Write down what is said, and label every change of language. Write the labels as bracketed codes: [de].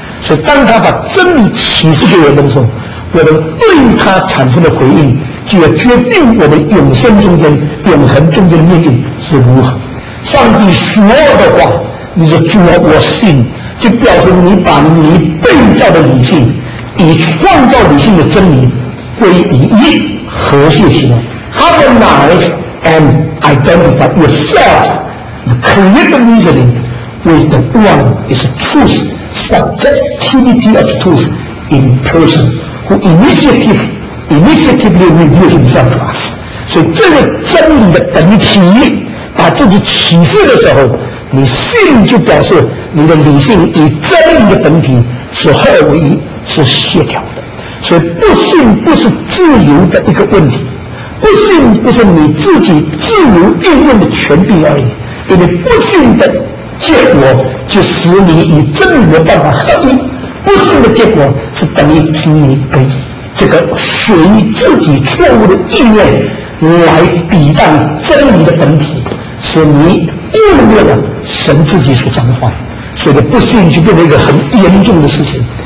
[zh] 所以当他把真理启示给我们的时候，我们对他产生的回应就要决定我们永生中间永恒中间的命运是如何。上帝说的话，你说主啊我信，就表示你把你被造的理性以创造理性的真理归于一，和谐起来。 [en] Harmonize and identify yourself the creative reasoning with the one is truth, subjectivity of truth in person who initiatively reveal himself to us。 [zh] 所以这个真理的本体把自己启示的时候，你信就表示你的理性与真理的本体是合为一，是协调的。所以不信不是自由的一个问题，不信不是你自己自由意愿的权利而已，因为不信的结果就使你与真理没办法合一，不信的结果是等于请你给这个属于自己错误的意愿来抵挡真理的本体，使你误会了神自己所讲的话，所以不信就变成一个很严重的事情。